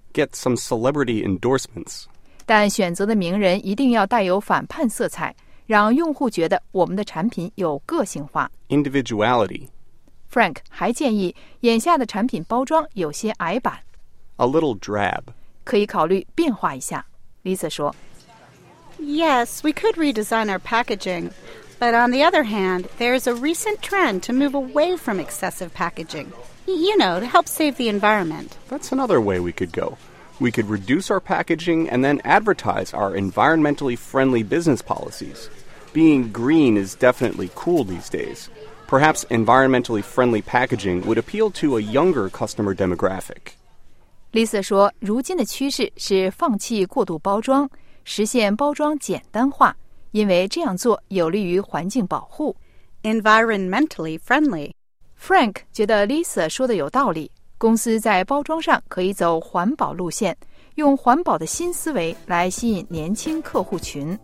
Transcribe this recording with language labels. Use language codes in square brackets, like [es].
[en] Get some celebrity endorsements. [zh] 但选择的名人一定要带有反叛色彩，让用户觉得我们的产品有个性化。 [en] Individuality. [zh] Frank 还建议眼下的产品包装有些矮板。 [en] A little drab. [zh] 可以考虑变化一下。Lisa 说 [en] Yes, we could redesign our packaging. But on the other hand, there's a recent trend to move away from excessive packaging. You know, to help save the environment. That's another way we could go. We could reduce our packaging and then advertise our environmentally friendly business policies. Being green is definitely cool these days. Perhaps environmentally friendly packaging would appeal to a younger customer demographic. [zh] Lisa 说，如今的趋势是放弃过度包装，实现包装简单化，因为这样做有利于环境保护。 [en] Environmentally friendly. [zh] Frank 觉得 Lisa 说的有道理，公司在包装上可以走环保路线，用环保的新思维来吸引年轻客户群。